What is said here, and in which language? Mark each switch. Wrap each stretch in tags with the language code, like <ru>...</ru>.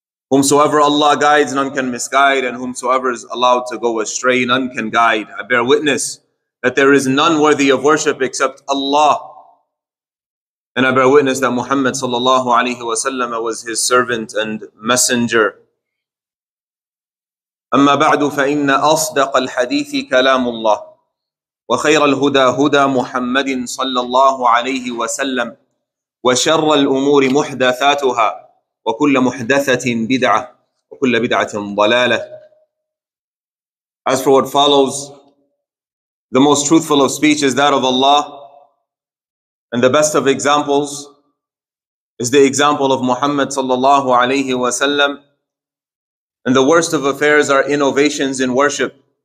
<en>Whomsoever Allah guides, none can misguide, and whomsoever is allowed to go astray, none can guide. I bear witness that there is none worthy of worship except Allah. And I bear witness that Muhammad sallallahu alayhi wa sallam was his servant and messenger.</en> <ar>أما بعد فإن أصدق الحديث كلام الله وخير الهدى هدى محمد صلى الله عليه وسلم وشر الأمور محدثاتها وكل محدثة بدعة وكل بدعة ضلالة.</ar> <en>As for what follows, the most truthful of speech is that of Allah, and the best of examples is the example of Muhammad sallallahu alayhi wa sallam, and the worst of affairs are innovations in worship.</en>